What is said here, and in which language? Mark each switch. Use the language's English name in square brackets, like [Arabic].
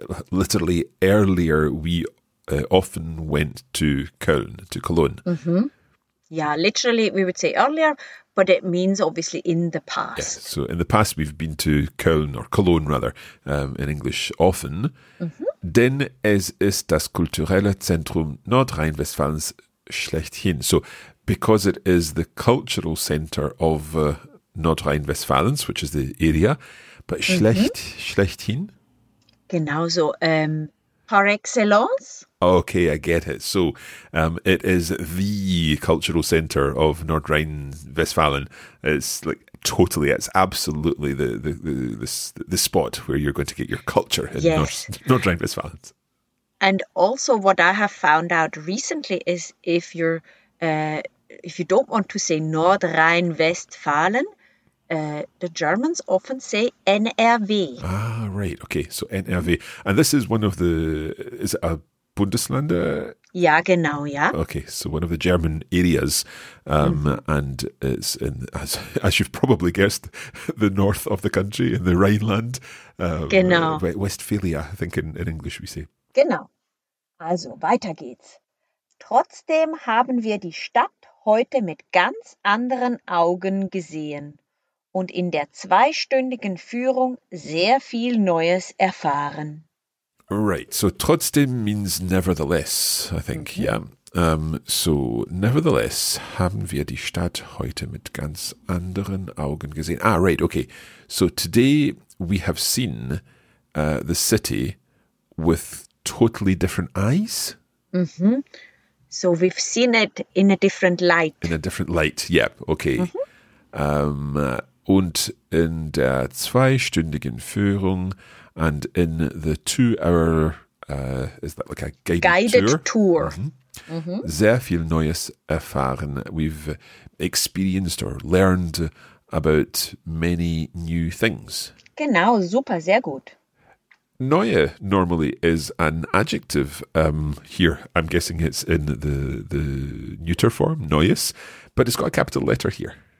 [English] Literally earlier we often went to Köln, to Cologne. Yeah, literally we would say earlier, but it means obviously in the past. Yeah, so in the past we've been to Köln or Cologne rather, in English often. [German] Denn es ist das kulturelle Zentrum Nordrhein-Westfalens schlechthin. [English] So because it is the cultural center of Nordrhein-Westfalens, which is the area, but schlechthin? [German] Genauso, par excellence. [English] Okay, I get it. So it is the cultural center of Nordrhein-Westfalen. It's like totally, it's absolutely the spot where you're going to get your culture in Nordrhein-Westfalen. And also what I have found out recently is if you're if you don't want to say Nordrhein-Westfalen, the Germans often say NRW. Ah, right. Okay, so NRW. And this is one of the, is it a Bundesländer? [German] Ja, genau, ja. [English] Okay, so one of the German areas. And it's in, as you've probably guessed, the north of the country, in the Rhineland. [German] Genau. [English] Westphalia, I think in English we say. [German] Genau. Also, weiter geht's. Trotzdem haben wir die Stadt heute mit ganz anderen Augen gesehen und in der zweistündigen Führung sehr viel Neues erfahren. [English] Right, so trotzdem means nevertheless, I think, yeah. So, nevertheless, [German] haben wir die Stadt heute mit ganz anderen Augen gesehen. [English] Ah, right, okay. So today we have seen the city with totally different eyes. So we've seen it in a different light. In a different light, yeah, okay. [German] Und in der zweistündigen Führung, [English] and in the two-hour, is that like a guided tour. [German] Sehr viel Neues erfahren. [English] We've experienced or learned about many new things. [German] Genau, super, sehr gut. [English] Neue normally is an adjective. Here, I'm guessing it's in the neuter form, neues, but it's got a capital letter here.